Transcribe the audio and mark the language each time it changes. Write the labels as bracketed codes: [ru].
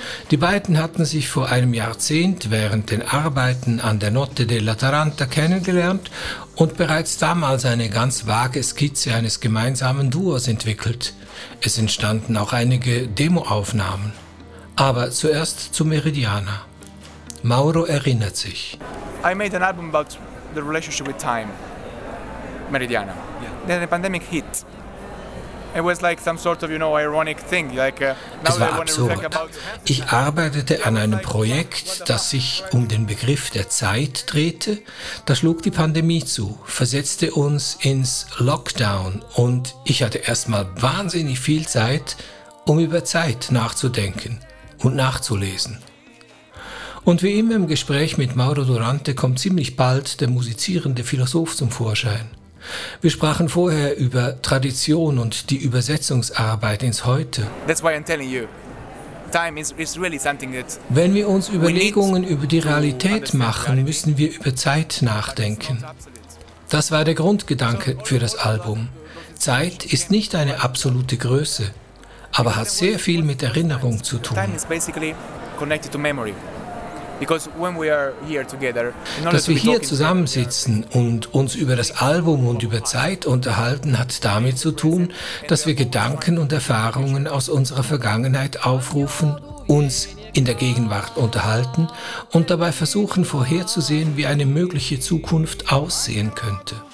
[de] Die beiden hatten sich vor einem Jahrzehnt während den Arbeiten an der Notte della Taranta kennengelernt und bereits damals eine ganz vage Skizze eines gemeinsamen Duos entwickelt. Es entstanden auch einige Demoaufnahmen. Aber zuerst zu Meridiana. Mauro erinnert sich. [en] I made an album about the relationship with time. Meridiana. Yeah. Then the pandemic hit. It was like some sort of, you know, ironic thing. Like, [de] es war absurd. Ich arbeitete an einem Projekt, das sich um den Begriff der Zeit drehte. Da schlug die Pandemie zu, versetzte uns ins Lockdown und ich hatte erstmal wahnsinnig viel Zeit, um über Zeit nachzudenken und nachzulesen. Und wie immer im Gespräch mit Mauro Durante kommt ziemlich bald der musizierende Philosoph zum Vorschein. Wir sprachen vorher über Tradition und die Übersetzungsarbeit ins Heute. [en] That's why I'm telling you. Time is really something that. [de] Wenn wir uns Überlegungen über die Realität machen, müssen wir über Zeit nachdenken. Das war der Grundgedanke für das Album. Zeit ist nicht eine absolute Größe, aber hat sehr viel mit Erinnerung zu tun. [en] Time is basically connected to memory. Because when we are here together, [de] dass wir hier zusammensitzen und uns über das Album und über Zeit unterhalten, hat damit zu tun, dass wir Gedanken und Erfahrungen aus unserer Vergangenheit aufrufen, uns in der Gegenwart unterhalten und dabei versuchen vorherzusehen, wie eine mögliche Zukunft aussehen könnte.